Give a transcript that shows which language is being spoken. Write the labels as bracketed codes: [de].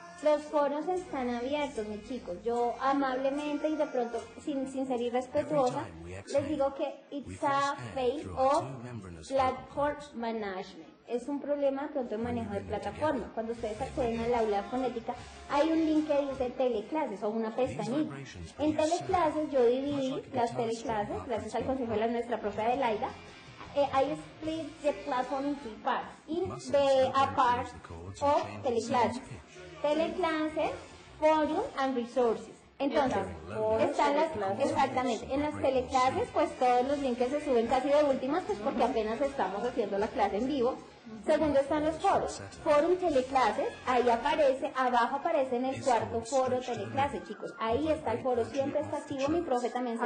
[es] Los foros están abiertos, mis chicos. Yo amablemente y de pronto, sin ser irrespetuosa, les digo que [en] it's a phase of platform management. [es] Es un problema de pronto de manejo de plataforma. Cuando ustedes acceden al aula fonética, hay un link que dice teleclases o una pestañita. En teleclases, yo dividí las teleclases, gracias al consejo de nuestra profe Adelaida. [en] I split the platform into parts, in the part of teleclases. Teleclases, forum and resources. [es] Entonces, están las, exactamente, en las teleclases, pues todos los links se suben casi de últimas, pues porque apenas estamos haciendo la clase en vivo. Segundo están los foros, forum teleclases, ahí aparece, abajo aparece en el cuarto foro teleclases, chicos, ahí está el foro, siempre está activo, mi profe también se